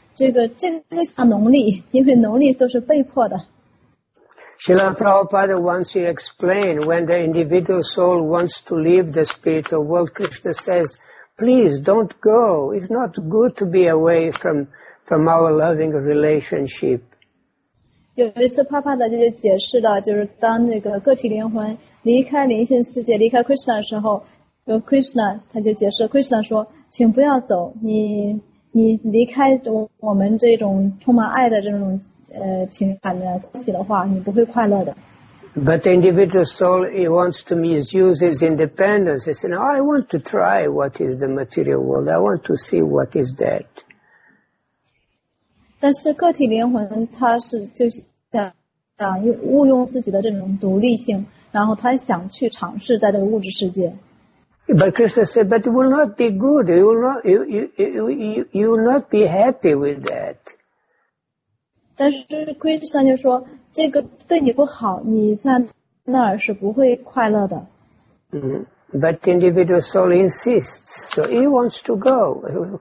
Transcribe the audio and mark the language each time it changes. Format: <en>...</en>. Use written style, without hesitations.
<zh>这个像奴隶，因为奴隶都是被迫的。</zh> <en>Srila Prabhupada once explained, when the individual soul wants to leave the spiritual world, Krishna says, please don't go. It's not good to be away from our loving relationship.</en> <zh>有一次 Prabhupada 就解释了，就是当那个个体灵魂离开灵性世界，离开 Krishna 的时候，就 Krishna 他就解释 ，Krishna 说，请不要走，你离开我们这种充满爱的这种情感的关系的话，你不会快乐的。</zh> <en>But the individual soul, he wants to misuse his independence. He says, I want to try what is the material world. I want to see what is that.</en> <zh>但是个体灵魂他是就想误用自己的这种独立性，然后他想去尝试在这个物质世界。</zh> <en>But Krishna said, but it will not be good. You will not be happy with that.</en> <zh>但是 Krishna 就说，这个对你不好，你在那儿是不会快乐的。</zh> <en>But the individual soul insists, so he wants to go.</en>